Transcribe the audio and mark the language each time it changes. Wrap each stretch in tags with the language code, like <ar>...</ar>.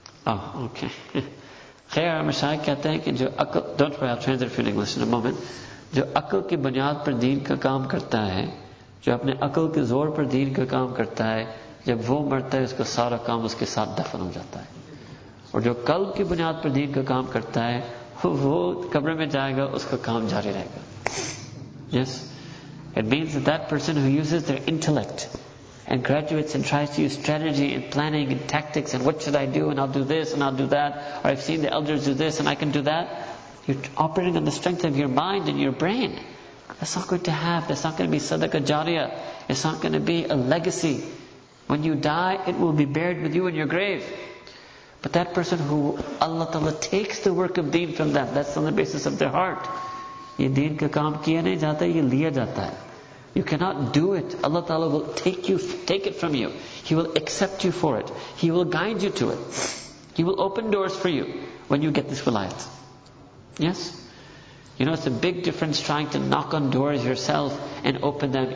<en>Oh, okay.</en> <ur>Khair Mashaikh kehte hain ki jo akal,</ur> <en>don't worry, I'll translate for English in a moment.</en> <ur>جو عقل کی بنیاد پر دین کا کام کرتا ہے، جو اپنے عقل کے زور پر دین کا کام کرتا ہے، جب وہ مرتا ہے، اسکا سارا کام اسکے ساتھ دفن ہو جاتا ہے. اور جو قلب کی بنیاد پر دین کا کام کرتا ہے، وہ قبرے میں جائے گا، اسکا کام جاری رہے گا.</ur> <en>Yes? It means that that person who uses their intellect and graduates and tries to use strategy and planning and tactics and what should I do and I'll do this and I'll do that, or I've seen the elders do this and I can do that, you're operating on the strength of your mind and your brain. That's not going to have, that's not going to be sadaqa jariya. It's not going to be a legacy. When you die, it will be buried with you in your grave. But that person who Allah Ta'ala takes the work of deen from them, that's on the basis of their heart.</en> <ur>یہ دین کا کام کیا نہیں جاتا، یہ لیا جاتا ہے.</ur> <en>You cannot do it. Allah Ta'ala will take it from you. He will accept you for it. He will guide you to it. He will open doors for you when you get this wilayat. Yes? You know, it's a big difference trying to knock on doors yourself and open them.</en>